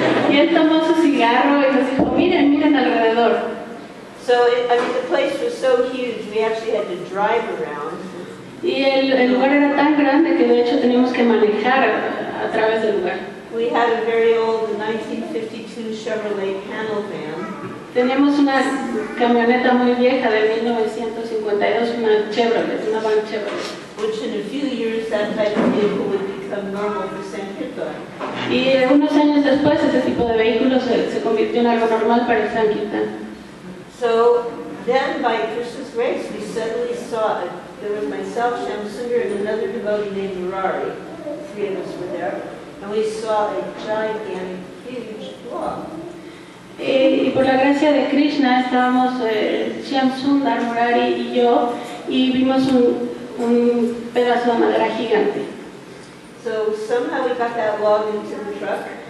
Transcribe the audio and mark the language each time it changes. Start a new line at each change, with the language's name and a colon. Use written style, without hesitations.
Spanish: Y él tomó su cigarro y nos dijo, miren alrededor.
English: So, the place was so huge, we actually had to drive around.
Spanish: Y el lugar era tan grande que de hecho teníamos que manejar a través del lugar.
English: We had a very old 1952 Chevrolet panel van.
Spanish: Teníamos una camioneta muy vieja de 1952, una Chevrolet, una van Chevrolet.
English: Which in a few years that type of vehicle would become normal for San Quintín.
Spanish: Y unos años después ese tipo de vehículo se convirtió en algo normal para San Quintín.
English: So then by Krishna's grace we suddenly saw it. There was myself, Shyam Sundar, and another devotee named Murari. Three of us were there. And we saw a gigantic, huge blob.
Spanish: Y por la gracia de Krishna estábamos Shyam Sundar, Murari y yo y vimos un pedazo de madera gigante.
English: So somehow we got that log into the truck.